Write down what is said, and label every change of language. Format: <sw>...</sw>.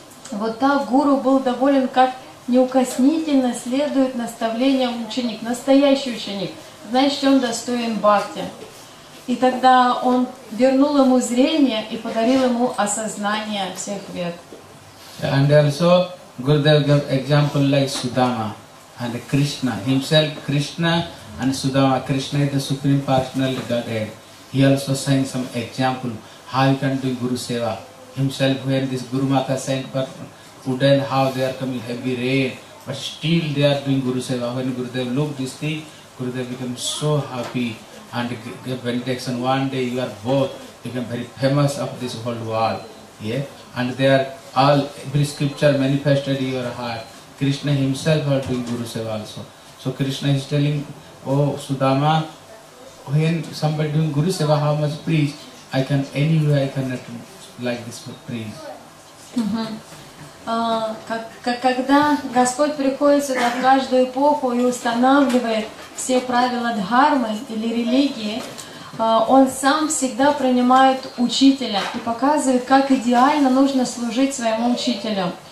<ru>Вот так гуру был доволен, как неукоснительно следует наставлениям ученик. Настоящий ученик. Значит, он достоин бхакти. И тогда он вернул ему зрение и подарил ему осознание всех вед.</ru> <en>And also Gurudev gave example like Sudama and Krishna. Himself Krishna and Sudama. Krishna is the supreme personal Godhead. He also sent some example how you can do Guru Seva. Himself when this Guru Mata sent for food and how they are coming heavy rain. But still they are doing Guru Seva. When Gurudev looked this thing, Gurudev became so happy and gave benediction. One day you are both become very famous of this whole world. Yeah? And they are all, every scripture manifested in your heart. Krishna himself are doing Guru Seva also. So Krishna is telling, oh Sudama, when somebody doing Guru Seva, how much preach? I can, anywhere I cannot like this preach.</en> <ru>Когда Господь приходит сюда в каждую эпоху и устанавливает все правила дхармы или религии, он сам всегда принимает учителя и показывает, как идеально нужно служить своему учителю.</ru>